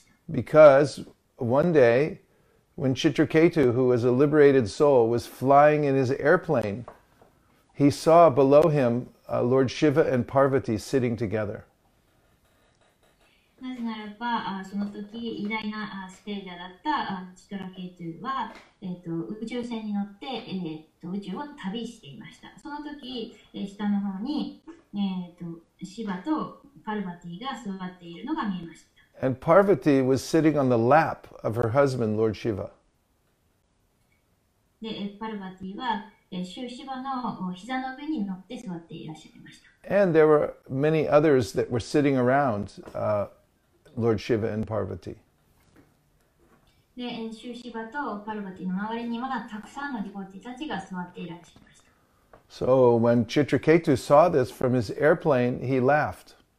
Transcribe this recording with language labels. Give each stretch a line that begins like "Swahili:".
English: Because one day, when Chitraketu, who was a liberated soul, was flying in his airplane, he saw below him Lord Shiva and Parvati sitting together.
Japanese: なぜならば、その時偉大なステージャーだったチトラケトゥは、宇宙船に乗って、宇宙を旅していました。その時、下の方に、シヴァとパルバティが座っているのが見えました。
English: And Parvati was sitting on the lap of her husband, Lord Shiva.
Japanese: で、パルバティは、シヴァの膝の上に乗って座っていらっしゃいました。
English: And there were many others that were sitting around, Lord Shiva and Parvati. So when Chitraketu saw this from his airplane, he laughed.